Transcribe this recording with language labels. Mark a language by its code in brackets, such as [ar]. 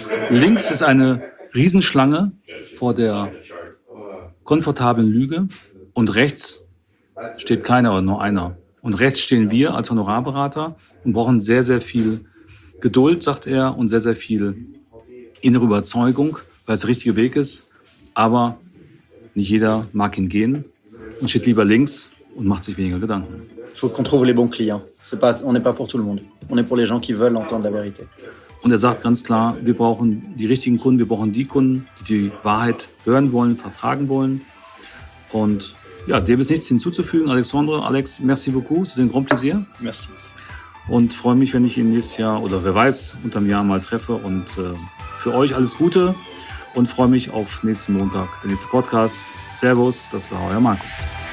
[de] Links ist eine Riesenschlange vor der komfortablen Lüge und rechts steht keiner oder nur einer. Und rechts stehen wir als Honorarberater und brauchen sehr, sehr viel Geduld, sagt er, und sehr, sehr viel innere Überzeugung, weil es der richtige Weg ist. Aber nicht jeder mag ihn gehen und steht lieber links und macht sich weniger Gedanken. [fr] Il faut qu'on trouve les bons clients. C'est pas, on n'est pas pour tout le monde. On est pour les gens qui veulent entendre la vérité. [de] Und er sagt ganz klar, wir brauchen die richtigen Kunden, wir brauchen die Kunden, die die Wahrheit hören wollen, vertragen wollen. Und ja, dem ist nichts hinzuzufügen. [fr] Alexandre, Alex, merci beaucoup, c'est un grand plaisir. Merci. [de] Und freue mich, wenn ich ihn nächstes Jahr oder wer weiß, unterm Jahr mal treffe. Und für euch alles Gute und freue mich auf nächsten Montag, der nächste Podcast. Servus, das war euer Markus.